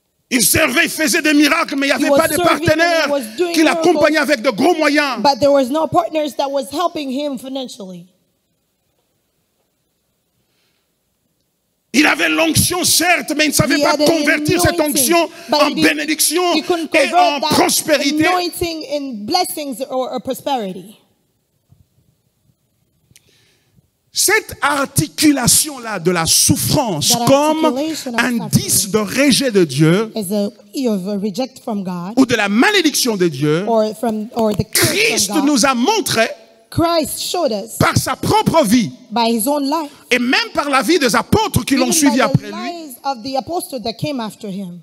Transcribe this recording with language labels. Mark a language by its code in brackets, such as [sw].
[fr] Il servait, il faisait des miracles, mais il n'y avait pas de partenaire qui l'accompagnait avec de gros moyens. [en] But there was no partners that was helping him financially. [fr] Il avait l'onction, certes, mais il ne savait pas convertir cette onction en bénédiction et en prospérité. [en] Anointing in blessings or prosperity. [fr] Cette articulation-là de la souffrance comme indice de rejet de Dieu ou de la malédiction de Dieu, Christ nous a montré par sa propre vie et même par la vie des apôtres qui l'ont suivi après lui.